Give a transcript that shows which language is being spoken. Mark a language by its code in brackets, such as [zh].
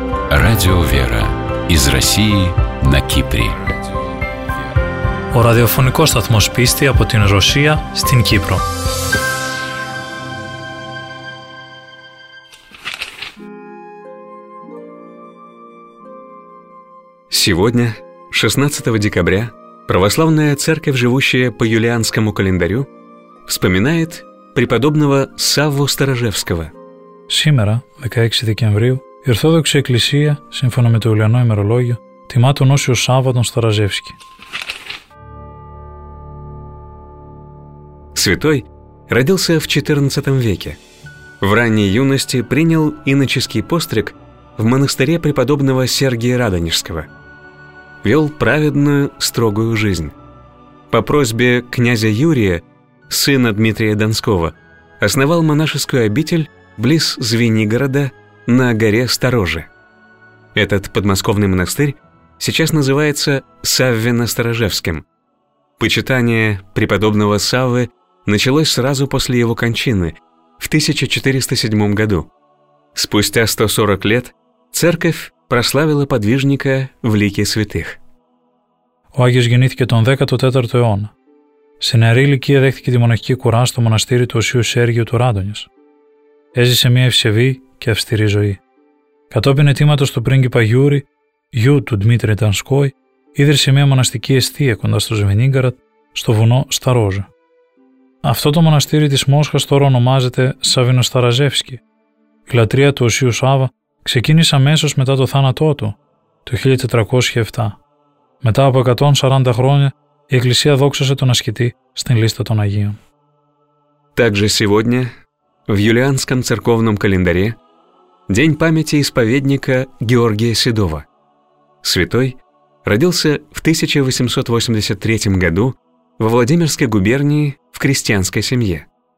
[ru] Радио «Вера» из России на Кипре. [el] Ο ραδιοφωνικός σταθμός πίστη από την Ρωσία στην Κύπρο. [ru] Сегодня, 16 декабря, православная церковь, живущая по юлианскому календарю, вспоминает преподобного Савву Старожевского. Сегодня, 16 декабря, [el] η Ορθόδοξη Εκκλησία, σύμφωνα με το Ιουλιανό ημερολόγιο, τιμά τον Όσιο Σάββα τον Σταραζεύσκη. [ru] Святой родился в 14 веке. В ранней юности принял иноческий постриг в монастыре преподобного Сергия Радонежского. Вел праведную, строгую жизнь. По просьбе князя Юрия, сына Дмитрия Донского, основал монашескую обитель близ Звенигорода на горе Сторожи. Этот подмосковный монастырь сейчас называется Саввино-Сторожевским. Почитание преподобного Саввы началось сразу после его кончины, в 1407 году. Спустя 140 лет церковь прославила подвижника в лике святых. [el] Ο Άγιος γεννήθηκε τον 14ο αιώνα. Σε νεαρή ηλικία δέχτηκε τη μοναχική κουρά στο μοναστήρι του Οσίου Σέργιου του Ράντονης. Έζησε μια ευσεβή και αυστηρή ζωή. Κατόπιν αιτήματος του πρίγκιπα Γιούρι, γιου του Δημήτρη Τανσκόη, ίδρυσε μια μοναστική εστία κοντά στο Σβενίγκαρατ, στο βουνό Σταρόζα. Αυτό το μοναστήρι της Μόσχας τώρα ονομάζεται Σαββίνο-Σταραζεύσκι. Η λατρεία του Οσίου Σάββα ξεκίνησε αμέσως μετά το θάνατό του, το 1407. Μετά από 140 χρόνια, η Εκκλησία δόξασε τον ασκητή στην λίστα των Αγίων. [ru] Также сегодня, в юлианском церковном календаре, день памяти исповедника Георгия Седова. Святой родился в 1883 году во Владимирской губернии в крестьянской семье.